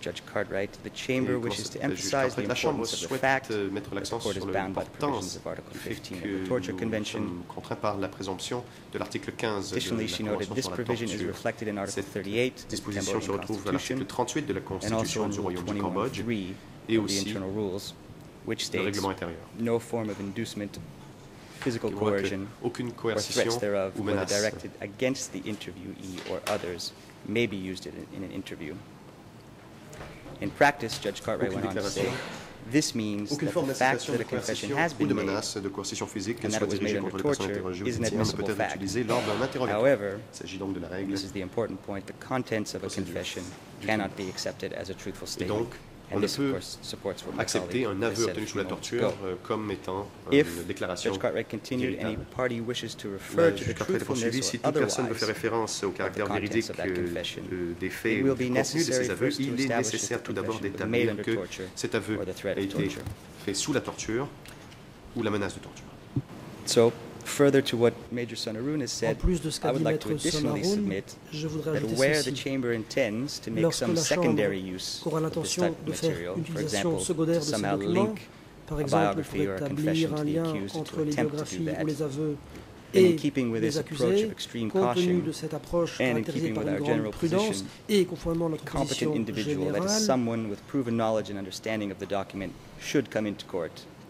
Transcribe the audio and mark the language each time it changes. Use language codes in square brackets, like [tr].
[en] Judge Cartwright, the chamber wishes to emphasize the importance of the fact that the court is bound by the provisions of Article 15 of the Torture Convention. [fr] Contraint par la présomption de l'article 15 de la [en] Additionally, she noted this provision is reflected in Article 38 [fr] cette disposition se retrouve à l'article 38 de la Constitution du Royaume du Cambodge et aussi [en] internal rules, which states [fr] le règlement intérieur. [en] No form of inducement physical coercion or threats thereof whether directed against the interviewee or others may be used in an interview. In practice, Judge Cartwright went on to say, this means that the fact that a confession has been made [fr] de coercition physique, [en] and that it was made under torture is an admissible fact. However, this is the important point, the contents of a confession cannot be accepted as a truthful statement. And on this, of course, supports what my colleague has said. If Judge Cartwright continued, any party wishes to refer to the truthfulness or otherwise of the contents of that confession, it will be necessary first to establish that the confession was made under torture or the threat of torture. [fr] Fait sous la torture ou la menace de torture. [en] So, further to what Major Sonnerun has said, I would like to additionally submit that where the chamber intends to make some secondary use of this type of material, for example, to somehow link a biography or a confession to the accused or to attempt to do that, in keeping with this approach of extreme caution and in keeping with our general position, a competent individual, that is someone with proven knowledge and understanding of the document, should come into court.